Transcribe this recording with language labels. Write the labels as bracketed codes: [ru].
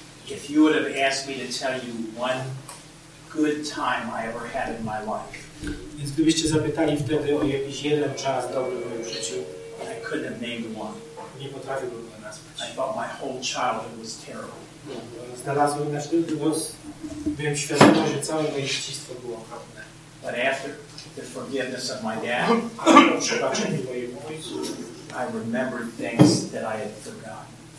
[en] if you would have asked me to tell you one good time I ever had in my life, [pl] więc gdybyście zapytali wtedy o jakiś jeden czas dobry w moim życiu, [en] I couldn't have named one. [pl] Nie potrafiłbym go nazwać. [en] I thought my whole childhood was terrible. [pl] Znalazłem na szczęście głos, byłem świadomy, że całe moje dzieciństwo było okropne. [en] But after the forgiveness of my dad, [pl] po przebaczeniu mojemu ojcu, [en] I remembered things that I had forgotten.